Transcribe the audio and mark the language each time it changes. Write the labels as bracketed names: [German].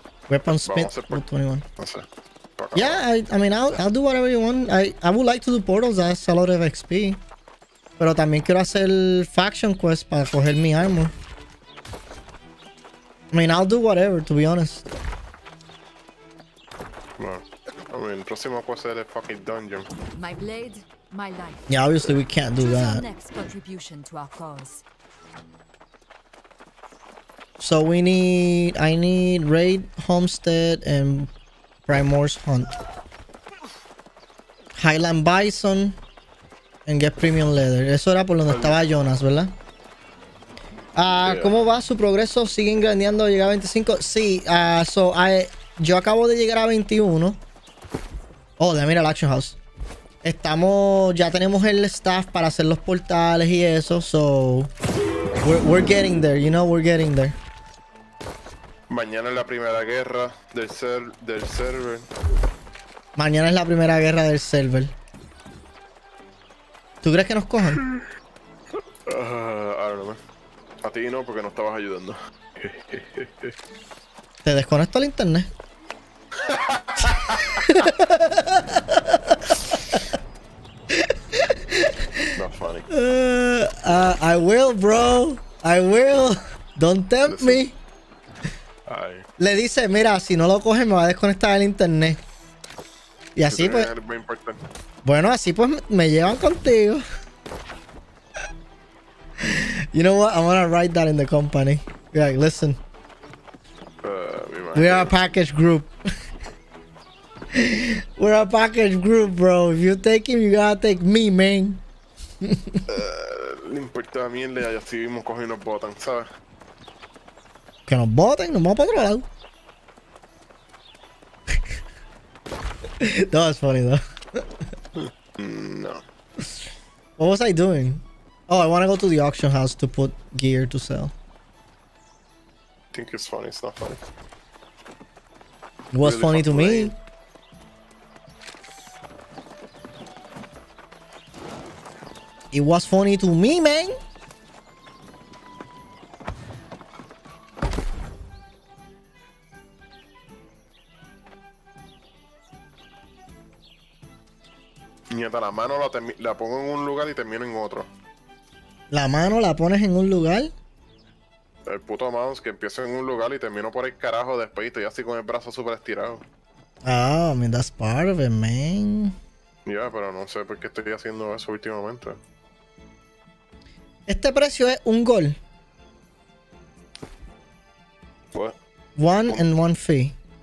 [English] Weapon spit, level 21. I'll do whatever you want. I would like to do portals, that's a lot of XP. [Spanish] Pero también quiero hacer faction quest para coger mi armor. [English] I mean, I'll do whatever, to be honest. Well, I mean, [Spanish] próximo [English] quest es el fucking dungeon. My blade, my life. Yeah, obviously we can't do that. Next contribution to our cause. So we need... I need raid, homestead, and Primor's hunt. Highland bison. And get premium leather. [Spanish] Eso era por donde estaba Jonas, ¿verdad? ¿Cómo va su progreso? ¿Siguen grandeando? ¿Llega a 25? Sí, yo acabo de llegar a 21. Oh, mira el Action House. Ya tenemos el staff para hacer los portales y eso, so... [English] We're getting there, you know, we're getting there. [Spanish] Mañana es la primera guerra del server. Mañana es la primera guerra del server. ¿Tú crees que nos cojan? [English] I don't know. [Spanish] A ti no, porque no estabas ayudando. ¿Te desconecto al internet? [English] Not funny. I will, bro. I will. Don't tempt me. Ay. [Spanish] Le dice, mira, si no lo coges, me va a desconectar del internet. Y así pues... Bueno, así pues me llevan contigo. [English] You know what? I want to write that in the company. Like, listen. We are a package group. We're a package group, bro. If you take him, you gotta take me, man. [Spanish] Le importa a mí, le ya estuvimos cogiendo botan, ¿sabes? Que nos voten, nos vamos para otro lado. [English] That was funny though. No. What was I doing? Oh, I want to go to the auction house to put gear to sell. I think it's funny, it's not funny. It was really funny to me. It was funny to me, man. [Spanish] Mientras la mano la pongo en un lugar y termino en otro. ¿La mano la pones en un lugar? El puto mouse que empieza en un lugar y termino por el carajo después y estoy así con el brazo súper estirado. [English] Ah, oh, I mean, that's part of it, man. [Spanish] Ya, pero no sé por qué estoy haciendo eso últimamente. Este precio es un gol. ¿Qué? [English] One and one fee.